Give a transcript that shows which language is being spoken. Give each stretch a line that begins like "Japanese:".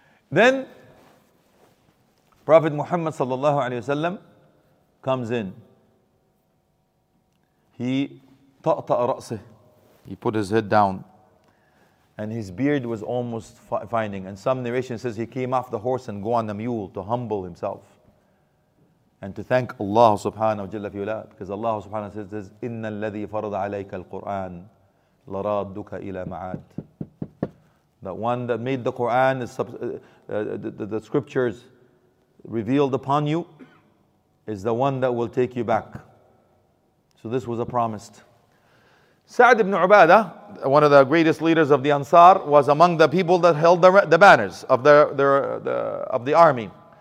English: Then Prophet Muhammad sallallahu alaihi wasallam comes in. He
Arabic: ta'ta'a ra'sih.
English: He put his head down. And his beard was almost finding. And some narration says he came off the horse and go on the mule to humble himself. And to thank Allah subhanahu wa jalla fi ula. Because Allah subhanahu wa jalla says,
Arabic: إِنَّ الَّذِي فَرَضَ عَلَيْكَ الْقُرْآنَ لَرَادُكَ إِلَى مَعَادٍ.
English: That one that made the Qur'an, the scriptures revealed upon you, is the one that will take you back. So this was a promise. Sa'd ibn Ubadah, one of the greatest leaders of the Ansar, was among the people that held the banners of the army.